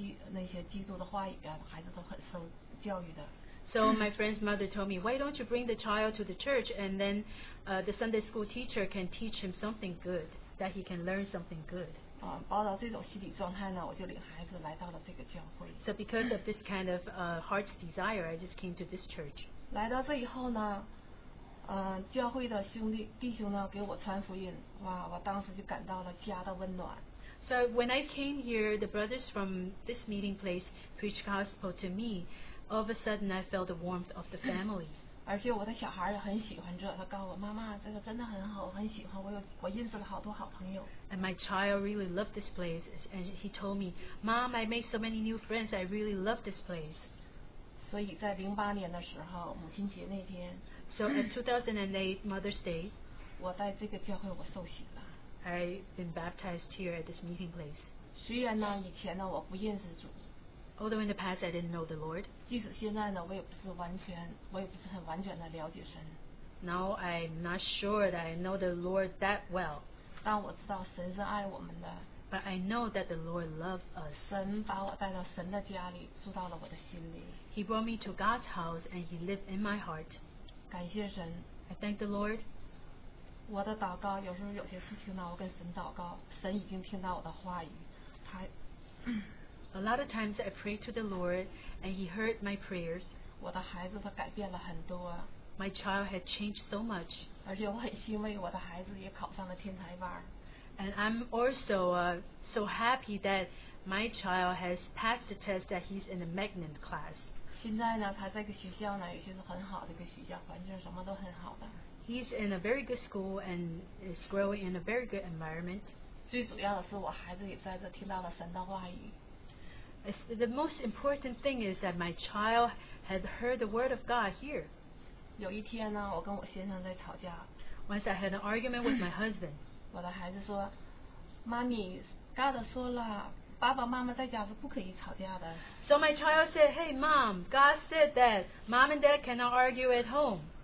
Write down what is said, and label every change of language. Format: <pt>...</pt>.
<zh>那些基督的话语啊，孩子都很受教育的。</zh> <en>So my friend's mother told me, why don't you bring the child to the church and then, the Sunday school teacher can teach him something good that he can learn something good.</en> <zh>抱着这种心理状态呢，我就领孩子来到了这个教会。</zh> <en>So because of this kind of heart's desire, I just came to this church.</en> <zh>来到这以后呢，教会的弟兄呢给我传福音，哇，我当时就感到了家的温暖。</zh> <en>So when I came here, the brothers from this meeting place preached gospel to me. All of a sudden, I felt the warmth of the family.</en> <zh>而且我的小孩也很喜欢这，他告诉我妈妈，这个真的很好，我很喜欢。我认识了好多好朋友。</zh> <en>And my child really loved this place, and he told me, "Mom, I made so many new friends. I really love this place."</en> <zh>所以在08年的时候，母亲节那天。</zh> <en>So in 2008 Mother's Day,</en> <zh>我在这个教会我受洗了。</zh> <en>I've been baptized here at this meeting place.</en> <zh>虽然呢，以前呢，我不认识主。</zh> <en>Although in the past I didn't know the Lord.</en> <zh>即使现在呢，我也不是很完全的了解神。</zh> <en>Now I'm not sure that I know the Lord that well.</en> <zh>但我知道神是爱我们的。</zh> <en>But I know that the Lord loves us.</en> <zh>神把我带到神的家里，住到了我的心里。</zh> <en>He brought me to God's house and He lived in my heart.</en> <zh>感谢神。</zh> <en>I thank the Lord.</en> <zh>我的祷告有时候有些事情呢，我跟神祷告，神已经听到我的话语，他。</zh> <en>A lot of times I pray to the Lord and He heard my prayers.</en> <zh>我的孩子他改变了很多。</zh> <en>My child had changed so much.</en> <zh>而且我很欣慰，我的孩子也考上了天台班。</zh> <en>And I'm also so happy that my child has passed the test that he's in the magnet class.</en> <zh>现在呢，他在一个学校呢，也就是很好的一个学校，环境什么都很好的。</zh> <en>He's in a very good school and is growing in a very good environment.</en> <zh>最主要的是我孩子也在这听到了神的话语。</zh> <en>The most important thing is that my child had heard the word of God here.</en> <zh>有一天呢，我跟我先生在吵架。</zh> <en>Once I had an argument with my husband.</en> <zh>我的孩子说，妈咪 ，God 说了，爸爸妈妈在家是不可以吵架的。</zh> <en>So my child said, "Hey, Mom, God said that Mom and Dad cannot argue at home."</en>